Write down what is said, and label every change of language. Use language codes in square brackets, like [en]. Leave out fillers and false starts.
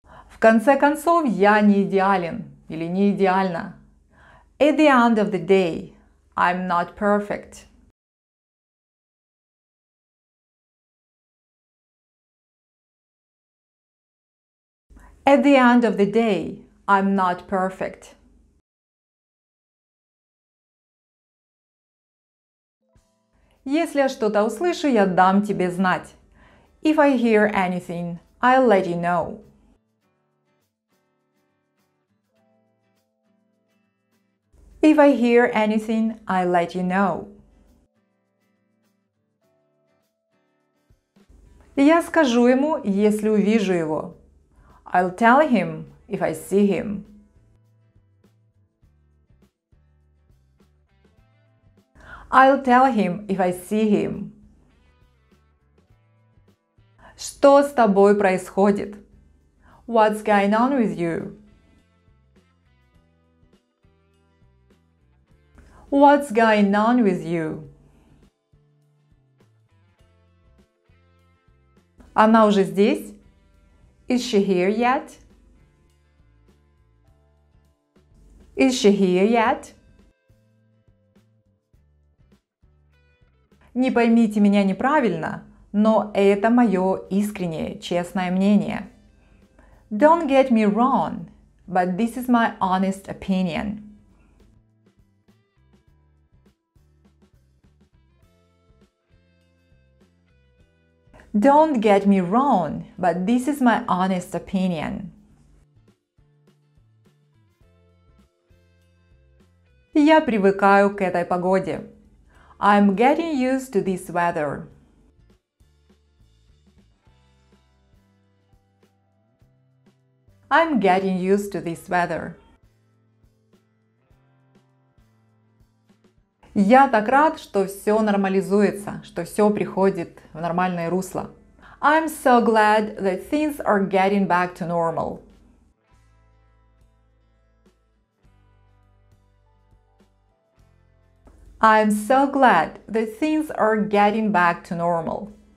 [ru] В конце концов, я не идеален или не идеально. [en] At the end of the day, I'm not perfect. At the end of the day, I'm not perfect. [ru] Если я что-то услышу, я дам тебе знать. [en] If I hear anything, I'll let you know. If I hear anything, I'll let you know. [ru] Я скажу ему, если увижу его. [en] I'll tell him if I see him. I'll tell him if I see him. [ru] Что с тобой происходит? [en] What's going on with you? What's going on with you? [ru] Она уже здесь? [en] Is she here yet? Is she here yet? [ru] Не поймите меня неправильно, но это мое искреннее, честное мнение. [en] Don't get me wrong, but this is my honest opinion. Don't get me wrong, but this is my honest opinion. [ru] Я привыкаю к этой погоде. [en] I'm getting used to this weather. I'm getting used to this weather. [ru] Я так рад, что все нормализуется, что все приходит в нормальное русло. [en] I'm so glad that things are getting back to normal. I'm so glad that things are getting back to normal.